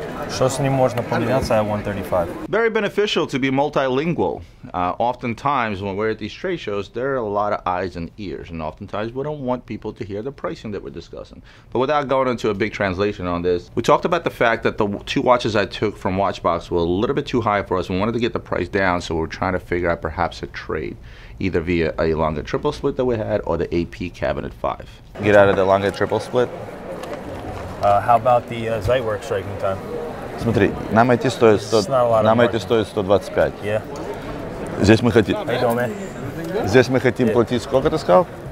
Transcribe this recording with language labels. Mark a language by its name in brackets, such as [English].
[Russian] Что с ним можно поменяться [English] at 135? Very beneficial to be multilingual. Oftentimes, when we're at these trade shows, there are a lot of eyes and ears, and oftentimes we don't want people to hear the pricing that we're discussing. But without going into a big translation on this, we talked about the fact that the two watches I took from Watchbox were a little bit too high for us. We wanted to get the price down, so we're trying to figure out perhaps a trade, either via a longer triple split that we had or the AP Cabinet 5. Get out of the longer triple split. How about the Zeitwerk striking time? [Russian] Смотри, нам эти стоят 100, нам эти стоят 125. [English] Yeah. [Russian] Здесь мы хотим. [English] How you doing, man? [Russian] Здесь мы хотим платить сколько ты сказал?